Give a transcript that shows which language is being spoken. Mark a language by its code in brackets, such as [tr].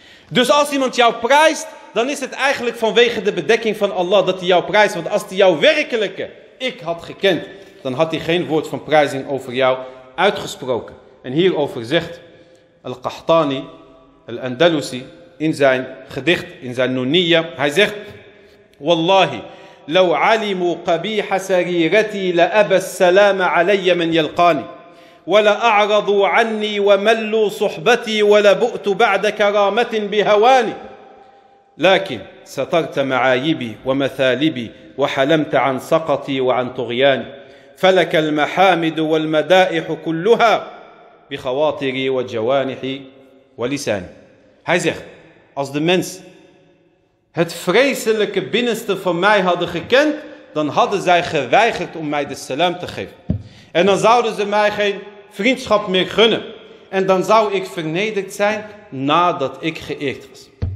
[nl] Dus als iemand jou prijst, dan is het eigenlijk vanwege de bedekking van Allah dat hij jou prijst. Want als hij jouw werkelijke ik had gekend, dan had hij geen woord van prijzing over jou uitgesproken. En hierover zegt Al-Qahtani, Al-Andalusi, in zijn gedicht, in zijn Nuniya. Hij zegt, [ar] Wallahi, لو علموا قبيح سريرتي لأبى السلام علي من يلقاني. ولا اعرضوا عني وملوا صحبتي ولا بؤت بعد كرامه بهواني لكن سترت معايبي ومثالبي وحلمت عن سقطي وعن طغياني فلك المحامد والمدائح كلها بخواطري وجوانحي ولساني. [nl] Hij zegt, als de mens het vreselijke binnenste van mij hadden gekend, dan hadden zij geweigerd om mij de salam te geven, en dan zouden ze mij geen vriendschap meer gunnen. En dan zou ik vernederd zijn nadat ik geëerd was.